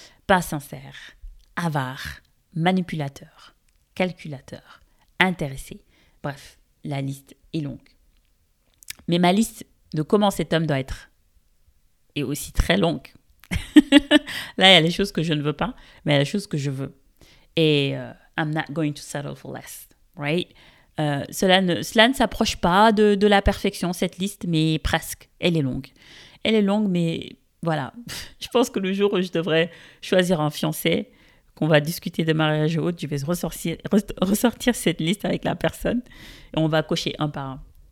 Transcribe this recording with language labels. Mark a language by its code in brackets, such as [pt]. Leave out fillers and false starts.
[fr] pas sincère, avare, manipulateur, calculateur, intéressé. Bref, la liste est longue. Mais ma liste de comment cet homme doit être est aussi très longue. Là, il y a les choses que je ne veux pas, mais il y a les choses que je veux. [en] Et I'm not going to settle for less, right? [fr] Cela ne s'approche pas de la perfection, cette liste, mais presque. Elle est longue. Elle est longue, mais voilà. Je pense que le jour où je devrais choisir un fiancé, qu'on va discuter de mariage ou autre, je vais ressortir cette liste avec la personne et on va cocher un par un.